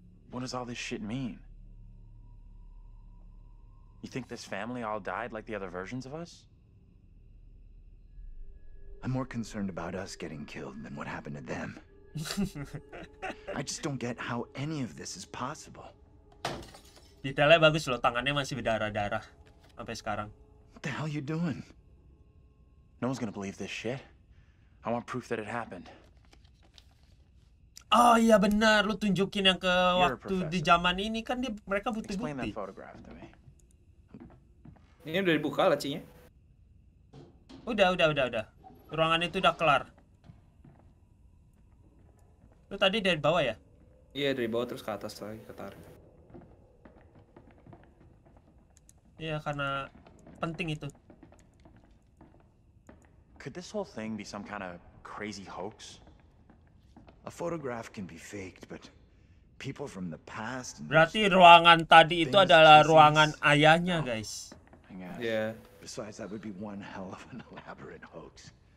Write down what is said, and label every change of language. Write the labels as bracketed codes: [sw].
[en] What does all this shit mean? You think this family all died like the other versions of us? I'm more concerned about us getting killed than what happened to them. I just don't get how any of this is possible. [id] Detailnya bagus loh, tangannya masih berdarah-darah sampai sekarang. [en] What the hell you doing? No one's gonna believe this shit. I want proof that it happened. [id] Oh iya benar, lu tunjukin yang ke waktu di zaman ini kan dia, mereka butuh bukti. [en] Explain that photograph to me. [id] Ini udah dibuka lacinya. Udah. Ruangan itu udah kelar. Lu tadi dari bawah ya? Iya, dari bawah terus ke atas lagi ketar. Iya, karena penting itu. [en] Could this whole thing be some kind of crazy hoax? A photograph can be faked, but people from the past. [id] Berarti ruangan tadi itu adalah ruangan ayahnya, guys. [en] Yeah. Besides, that would be one hell of an elaborate hoax.